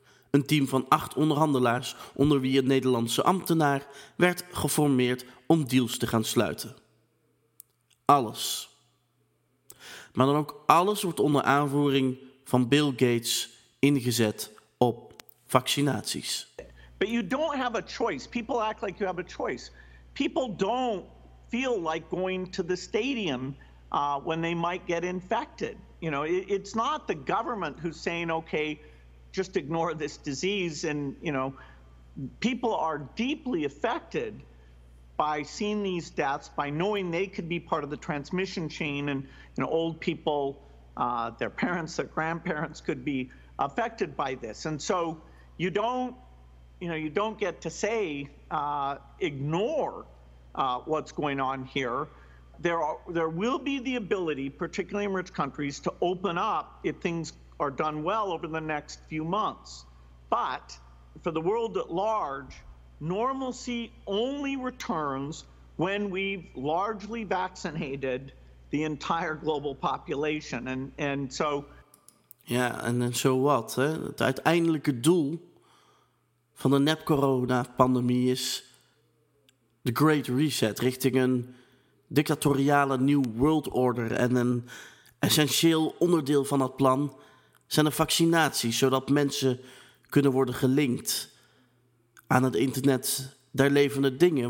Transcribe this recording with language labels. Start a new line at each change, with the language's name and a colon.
Dutch: Een team van 8 onderhandelaars, onder wie een Nederlandse ambtenaar, werd geformeerd om deals te gaan sluiten. Alles. Maar dan ook alles wordt onder aanvoering van Bill Gates ingezet op vaccinaties.
English: But you don't have a choice. People act like you have a choice. People don't feel like going to the stadium when they might get infected. You know, it's not the government who's saying, okay, just ignore this disease. And, you know, people are deeply affected by seeing these deaths, by knowing they could be part of the transmission chain. And, you know, old people, their parents, their grandparents could be affected by this. And so you don't, you know, you don't get to say, ignore what's going on here. There will be the ability, particularly in rich countries, to open up if things are done well over the next few months. But for the world at large, normalcy only returns when we've largely vaccinated the entire global population. And so, yeah, and then so what? Hè?
Dutch: Het uiteindelijke doel van de nep-corona-pandemie is de Great Reset richting een dictatoriale New World Order. En een essentieel onderdeel van dat plan zijn de vaccinaties, zodat mensen kunnen worden gelinkt aan het internet der levende dingen.